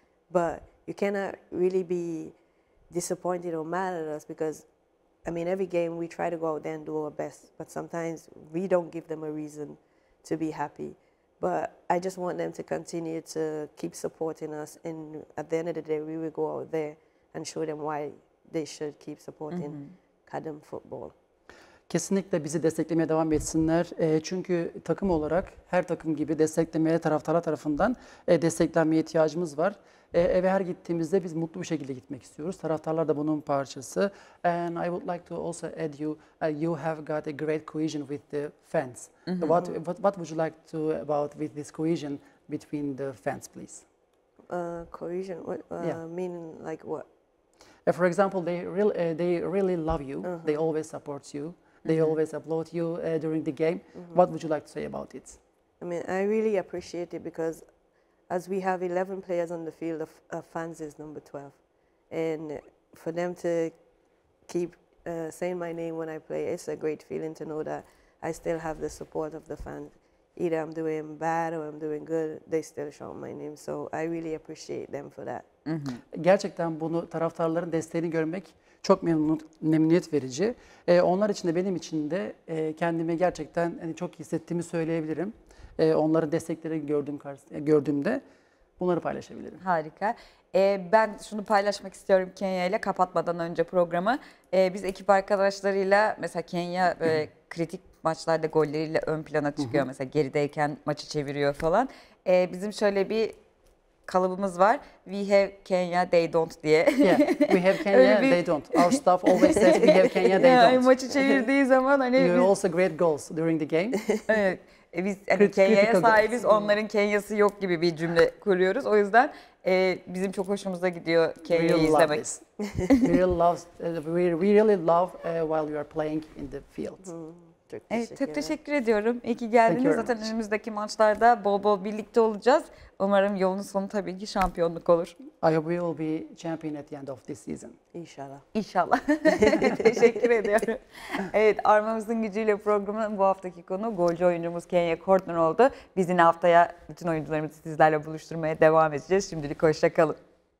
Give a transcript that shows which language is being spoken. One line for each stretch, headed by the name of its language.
English: But you cannot really be disappointed or mad at us because, I mean, every game we try to go out there and do our best, but sometimes we don't give them a reason to be happy. But I just want them to continue to keep supporting us, and at the end of the day, we will go out there and show them why they should keep supporting Kadın football.
Turkish: Kesinlikle bizi desteklemeye devam etsinler. Çünkü takım olarak her takım gibi desteklemeye taraftarlar tarafından desteklenmeye ihtiyacımız var. Eve her gittiğimizde biz mutlu bir şekilde gitmek istiyoruz. Taraftarlar da bunun parçası.
English: And I would like to also add you, you have got a great cohesion with the fans. What would you like to about with this cohesion between the fans, please? Cohesion? Mean like what? For example, they really love you. Uh-huh. They always support you. They always applaud you during the game. Uh-huh. What would you like to say about it? I mean, I really appreciate it because as we have 11 players on the field, the fans is number 12. And for them to keep saying my name when I play, it's a great feeling to know that I still have the support of the fans. Either I'm doing bad or I'm doing good, they still shout my name. So I really appreciate them for that.
Turkish: Gerçekten bunu taraftarların desteğini görmek çok memnuniyet verici. Onlar için de benim için de kendimi gerçekten hani çok hissettiğimi söyleyebilirim. Onların desteklerini gördüğümde bunları paylaşabilirim. Harika. Ben şunu paylaşmak istiyorum Kenya ile kapatmadan önce programı. Biz ekip arkadaşlarıyla mesela Kenya kritik maçlarda golleriyle ön plana çıkıyor. Mesela gerideyken maçı çeviriyor falan. Bizim şöyle bir kalıbımız var.
English: We have Kenya, they don't diye. Yeah. We have Kenya, bir... they don't. Our staff always says we have Kenya, they don't.
Turkish: Maçı çevirdiği zaman hani... You biz... also great goals during the game. Evet. Biz hani Kenya'ya sahibiz, onların Kenya'sı yok gibi bir cümle kuruyoruz. O yüzden bizim çok hoşumuza gidiyor Kenya'yı izlemek.
English: We really love while you are playing in the field.
Turkish: Çok teşekkür ediyorum. İyi ki geldiniz. Zaten önümüzdeki maçlarda bol bol birlikte olacağız. Umarım yolun sonu tabii ki şampiyonluk olur.
English: I hope we will be champion at the end of this season.
Turkish: İnşallah. Teşekkür ediyorum. Evet, armamızın gücüyle programın bu haftaki konu golcü oyuncumuz Kenya Cordner oldu. Biz yine haftaya bütün oyuncularımızı sizlerle buluşturmaya devam edeceğiz. Şimdilik hoşça kalın.